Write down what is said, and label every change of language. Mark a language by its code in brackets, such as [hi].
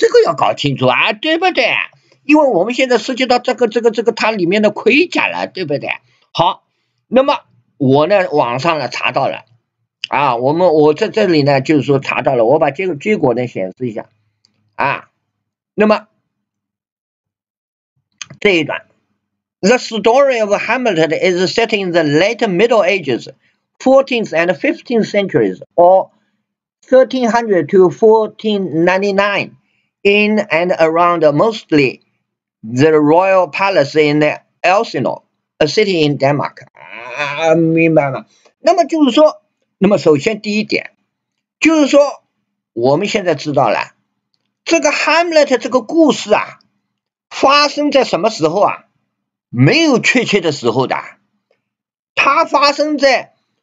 [zh] 这个要搞清楚啊，对不对？因为我们现在涉及到这个它里面的盔甲了，对不对？好，那么我呢网上呢查到了啊，我在这里呢就是说查到了，我把结果呢显示一下啊。那么这一段 [en] The story of Hamlet is set in the late Middle Ages 14th and 15th centuries or 1300 to 1499 in and around mostlyThe Royal Palace in Elsinore, a city in Denmark. [zh] 啊，明白吗？那么就是说，那么首先第一点，就是说我们现在知道了这个 Hamlet 这个故事啊，发生在什么时候啊？没有确切的时候的，它发生在